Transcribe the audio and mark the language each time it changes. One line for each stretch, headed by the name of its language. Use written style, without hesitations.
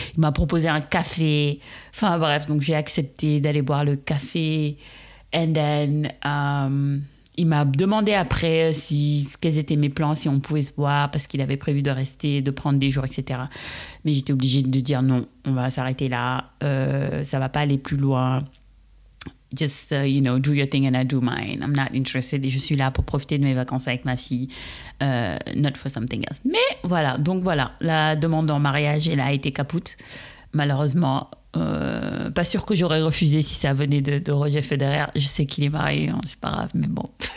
French: Il m'a proposé un café. Enfin bref, donc j'ai accepté d'aller boire le café.
English: And then.
French: Il m'a demandé après si, quels étaient mes plans, si on pouvait se voir, parce qu'il avait prévu de rester, de prendre des jours, etc. Mais j'étais obligée de dire non, on va s'arrêter là, ça ne va pas aller plus loin.
English: Just, you know, do your thing and I do mine. I'm not interested.
French: Et je suis là pour profiter de mes vacances avec ma fille,
English: not for something else.
French: Mais voilà, donc voilà, la demande en mariage, elle a été capoute, malheureusement. Pas sûr que j'aurais refusé si ça venait de Roger Federer. Je sais qu'il est marié, hein, c'est pas grave, mais bon.